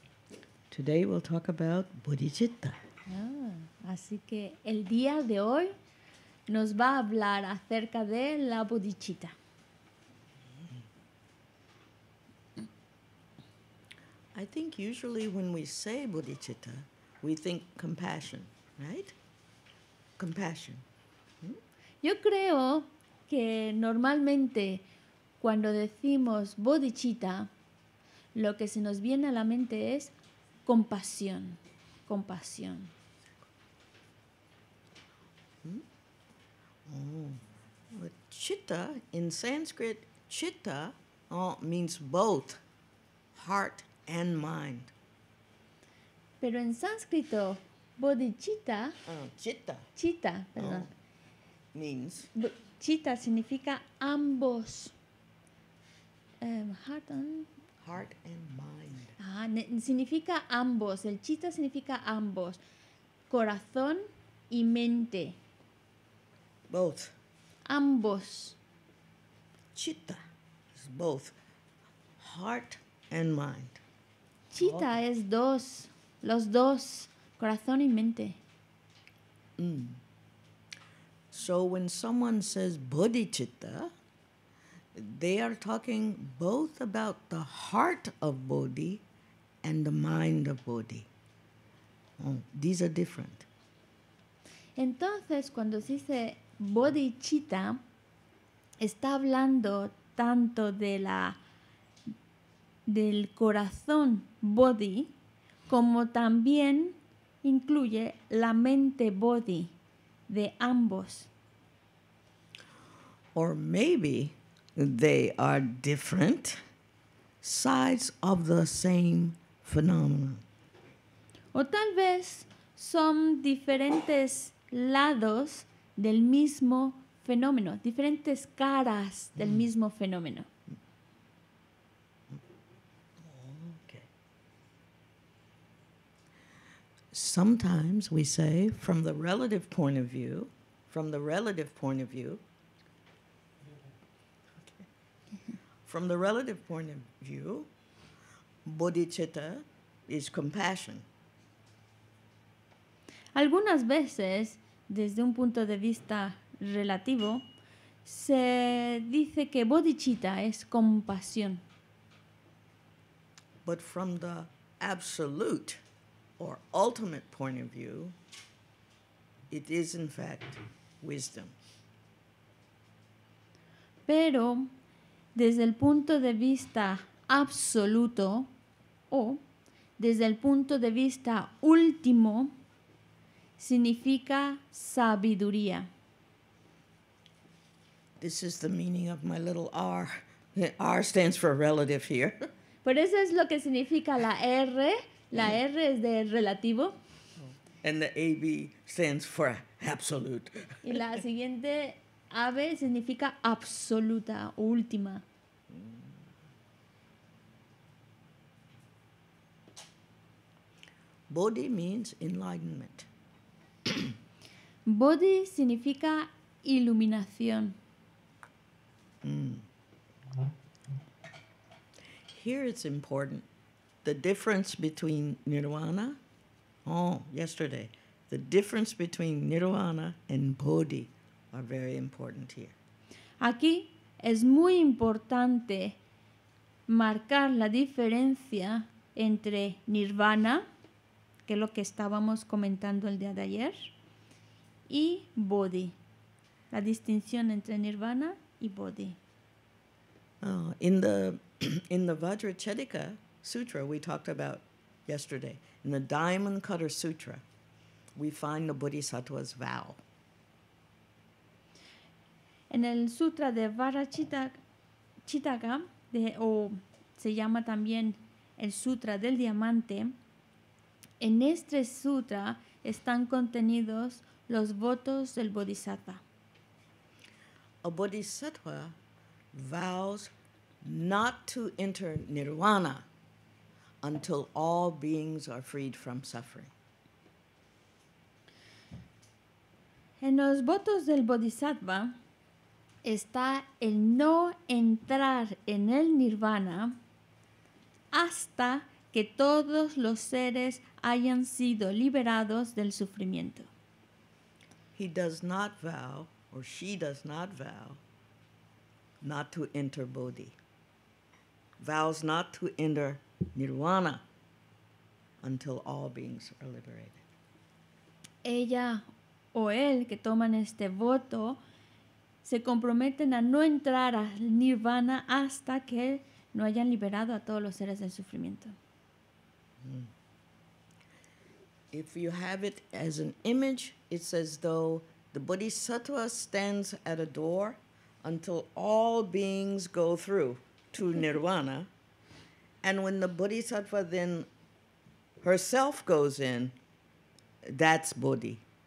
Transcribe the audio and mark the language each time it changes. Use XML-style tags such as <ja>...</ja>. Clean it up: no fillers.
<en>So, today we'll talk about bodhicitta.</en> <es>Así que el día de hoy nos va a hablar acerca de la bodhicitta.</es> <en>I think usually when we say bodhicitta, we think compassion, right? Compassion.</en> <es>Yo creo que normalmente cuando decimos bodhicitta, lo que se nos viene a la mente es compasión, compasión.</es> <en>Chitta, in Sanskrit, chitta means both heart and mind.</en> <es>Pero en sánscrito, bodhicitta, chitta significa ambos,</es> <en>heart and heart and mind.</en> <es>Significa ambos. El chitta significa ambos. Corazón y mente.</es> <en>Both.</en> <es>Ambos.</es> <en>Chitta is both. Heart and mind.</en> <es>Chitta es dos. Los dos. Corazón y mente.</es> <en>So when someone says bodhicitta, they are talking both about the heart of Bodhi and the mind of Bodhi. These are different.</en> <es>Entonces, cuando se dice bodhicitta, está hablando tanto de la del corazón Bodhi como también incluye la mente Bodhi de ambos.</es> <en>Or maybe they are different sides of the same phenomenon.</en> <es>O tal vez son diferentes lados del mismo fenómeno, diferentes caras del mismo fenómeno.</es> <en>Okay. Sometimes we say, from the relative point of view, from the relative point of view, from the relative point of view, bodhicitta is compassion.</en> <es>Algunas veces, desde un punto de vista relativo, se dice que bodhicitta es compasión.</es> <en>But from the absolute or ultimate point of view, it is in fact wisdom.</en> <es>Pero desde el punto de vista absoluto o desde el punto de vista último, significa sabiduría.</es> <en>This is the meaning of my little R. R stands for relative here.</en> <es>Por eso es lo que significa la R. La R es de relativo.</es> <en>And the AB stands for absolute.</en> <es>Y la siguiente AB significa absoluta, última.</es> <en>Bodhi means enlightenment.</en> <es>Bodhi significa iluminación.</es> <en>Here it's important. The difference between nirvana, the difference between nirvana and bodhi are very important here.</en> <es>Aquí es muy importante marcar la diferencia entre nirvana, que es lo que estábamos comentando el día de ayer, y bodhi. La distinción entre nirvana y bodhi.</es> <en>In the Vajracchedika Sutra we talked about yesterday, in the Diamond Cutter Sutra, we find the Bodhisattva's vow.</en> <es>En el Sutra de Vajracchedika, se llama también el Sutra del Diamante, en este Sutra están contenidos los votos del Bodhisattva.</es> <en>A Bodhisattva vows not to enter nirvana until all beings are freed from suffering.</en> <es>En los votos del Bodhisattva está el no entrar en el nirvana hasta que todos los seres hayan sido liberados del sufrimiento.</es> <en>He does not vow, or she does not vow, not to enter bodhi. Vows not to enter nirvana until all beings are liberated.</en> <es>Ella o él que toman este voto se comprometen a no entrar a nirvana hasta que no hayan liberado a todos los seres del sufrimiento.</es> <en>If you have it as an image, it's as though the Bodhisattva stands at a door until all beings go through to nirvana, and when the Bodhisattva then herself goes in, that's bodhi.</en>